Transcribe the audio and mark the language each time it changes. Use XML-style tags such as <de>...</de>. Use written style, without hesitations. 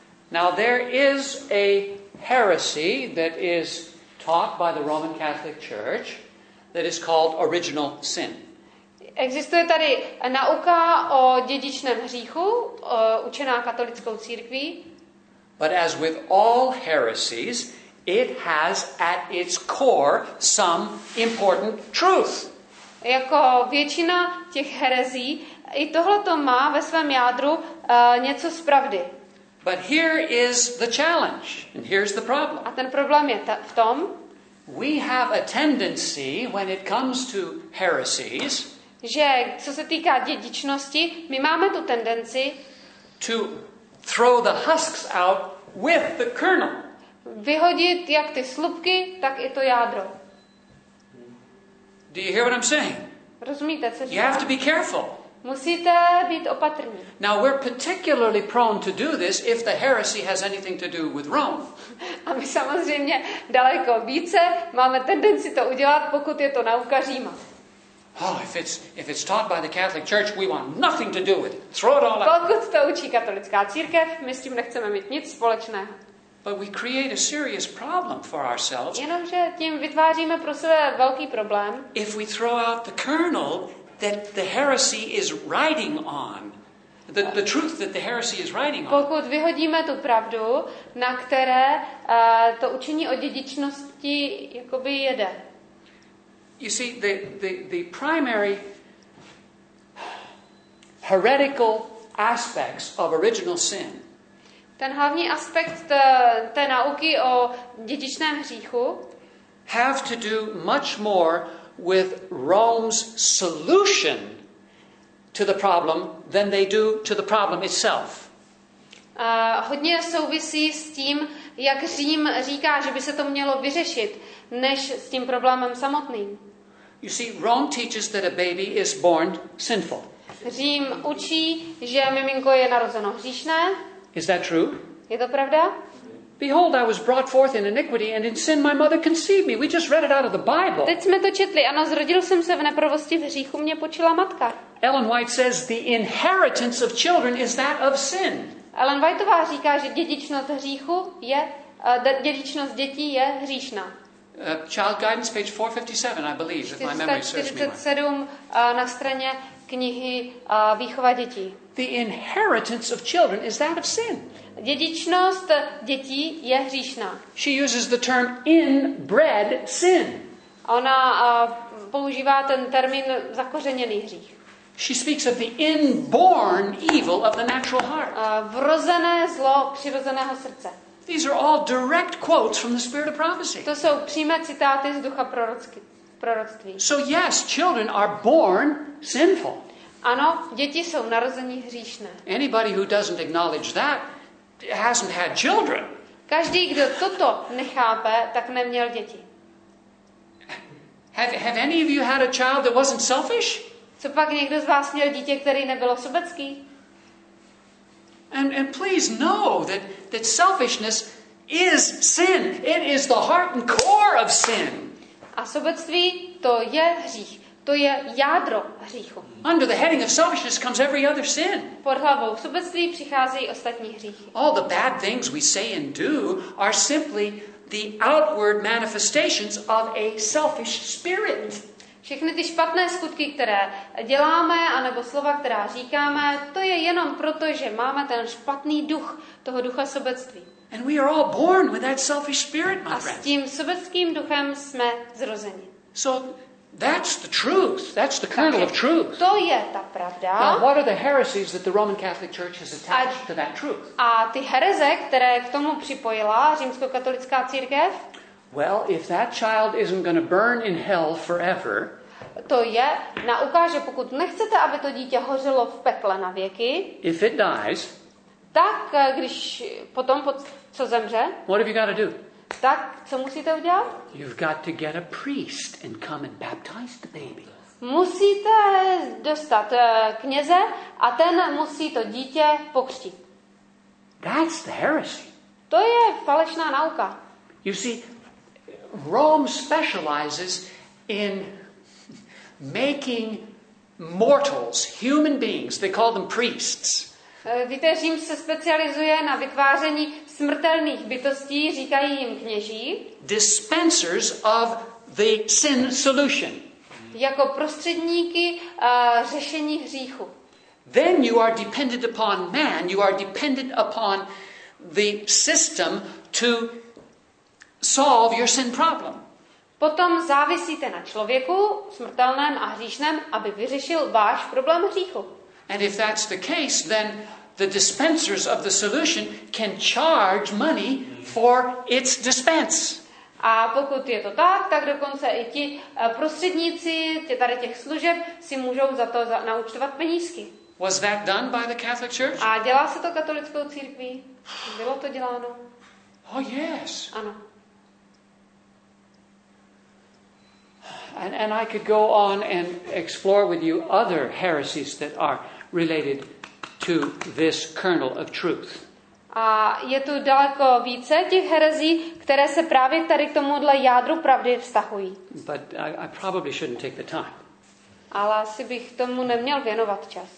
<en>Now there is a heresy that is taught by the Roman Catholic Church that is called original sin.</en> <cs>Existuje tady nauka o dědičném hříchu, učená katolickou církví.</cs> <en>But as with all heresies, it has at its core some important truth.</en> <cs>Jako většina těch herezí, i tohle to má ve svém jádru něco z pravdy.</cs> <en>But here is the challenge, and here's the problem.</en> <cs>A ten problém je v tom.</cs> <en>We have a tendency when it comes to heresies,</en> <cs>že co se týká dědičnosti, my máme tu tendenci</cs> <en>to throw the husks out with the kernel.</en> <cs>Vyhodit jak ty slupky, tak i to jádro.</cs> <en>Do you hear what I'm saying?</en> <cs>Rozumíte, co říkám?</cs> <en>You have to be careful.</en> <cs>Musíte být opatrní.</cs> <en>Now we're particularly prone to do this if the heresy has anything to do with Rome.</en> <cs>A my samozřejmě daleko více máme tendenci to udělat, pokud je to nauka Říma.</cs> <en>Oh, if it's taught by the Catholic Church, we want nothing to do with it. Throw it all out.</en> <cs>Pokud to učí katolická církev, my s tím nechceme mít nic společného.</cs> <en>But we create a serious problem for ourselves.</en> <cs>Jenomže tím vytváříme pro sebe velký problém.</cs> <en>If we throw out the kernel that the heresy is riding on, the truth that the heresy is riding on.</en> <cs>Pokud vyhodíme tu pravdu, na které to učení o dědičnosti jakoby jede.</cs> <en>You see, the primary heretical aspects of original sin.</en> <cs>Ten hlavní aspekt té nauky o dědičném hříchu</cs> <en>have to do much more with Rome's solution to the problem than they do to the problem itself.</en> <cs>Hodně souvisí s tím, jak Řím říká, že by se to mělo vyřešit, než s tím problémem samotným.</cs> <en>You see, Rome teaches that a baby is born sinful.</en> <cs>Řím učí, že miminko je narozeno hříšné.</cs> <en>Is that true?</en> <cs>Je to pravda?</cs> <en>Behold, I was brought forth in iniquity and in sin my mother conceived me. We just read it out of the Bible.</en> <cs>Teď jsme to četli. Ano, zrodil jsem se v neprovosti, v hříchu mě počila matka.</cs> <en>Ellen White says the inheritance of children is that of sin.</en> <cs>Ellen Whiteová říká, že dědičnost hříchu je dědičnost dětí je hříšná.</cs> <en>Child Guidance page 457, I believe, if my memory serves me.</en> <cs>447 na straně knihy Výchova dětí.</cs> <en>The inheritance of children is that of sin.</en> <cs>Dědičnost dětí je hříšná.</cs> <en>She uses the term inbred sin.</en> <cs>Ona používá ten termín zakořeněný hřích.</cs> <en>She speaks of the inborn evil of the natural heart.</en> <cs>Vrozené zlo přirozeného srdce.</cs> <en>These are all direct quotes from the spirit of prophecy.</en> <cs>To jsou přímé citáty z ducha proroctví.</cs> <en>So yes, children are born sinful.</en> <cs>Ano, děti jsou narození hříšné.</cs> <en>Anybody who doesn't acknowledge that hasn't had children.</en> <cs>Každý, kdo toto nechápe, tak neměl děti.</cs> <en>Have any of you had a child that wasn't selfish?</en> <cs>Co pak někdo z vás měl dítě, které nebylo sobecký?</cs> <en>And please know that selfishness is sin. It is the heart and core of sin.</en> <cs>A sobectví, to je hřích. To je jádro hříchu.</cs> <en>Under the heading of selfishness comes every other sin.</en> <cs>Pod hlavou sobectví přicházejí ostatní hříchy.</cs> <en>All the bad things we say and do are simply the outward manifestations of a selfish spirit.</en> <cs>Všechny ty špatné skutky, které děláme, anebo slova, která říkáme, to je jenom proto, že máme ten špatný duch, toho ducha sobectví.</cs> <en>And we are all born with that selfish spirit, my friend.</en> <cs>A s tím sobeckým duchem jsme zrozeni.</cs> <en>So that's the truth. That's the kernel of truth.</en> <cs>To je ta pravda.</cs> <en>Now, what are the heresies that the Roman Catholic Church has attached to that truth?</en> <cs>A ty hereze, které k tomu připojila římskokatolická církev?</cs> <en>Well, if that child isn't going to burn in hell forever,</en> <cs>To je na ukáže, pokud nechcete, aby to dítě hořelo v pekle na věky.</cs> <en>If it dies,</en> <cs>tak když potom co zemře?</cs> <en>What have you got to do?</en> <cs>Tak co musíte udělat?</cs> <en>You've got to get a priest and come and baptize the baby.</en> <cs>Musíte dostat kněze a ten musí to dítě pokřtít.</cs> <en>That's the heresy.</en> <cs>To je falešná nauka.</cs> <en>You see, Rome specializes in making mortals, human beings. They call them priests.</en> <cs>Víte, Řím se specializuje na vytváření smrtelných bytostí, říkají jim kněží.</cs> <en>Dispensers of the sin solution.</en> <cs>Jako prostředníky řešení hříchu.</cs> <en>Then you are dependent upon man, you are dependent upon the system to solve your sin problem.</en> <cs>Potom závisíte na člověku, smrtelném a hříšném, aby vyřešil váš problém hříchu.</cs> <en>And if that's the case, then the dispensers of the solution can charge money for its dispense.</en> <cs>A pokud je to tak, tak dokonce i ti prostředníci tady těch služeb si můžou za to naúčtovat penízky.</cs> <en>Was that done by the Catholic Church?</en> <cs>A dělá se to katolickou církví? Bylo to děláno?</cs> <en>Oh yes.</en> <cs>Ano.</cs> <en>And I could go on and explore with you other heresies that are related to this kernel of truth.</en> <cs>A je tu daleko více těch herezí, které se právě tady k tomuhle jádru pravdy vztahují.</cs> <en>But I probably shouldn't take the time.</en> <cs>Ale asi bych tomu neměl věnovat čas.</cs>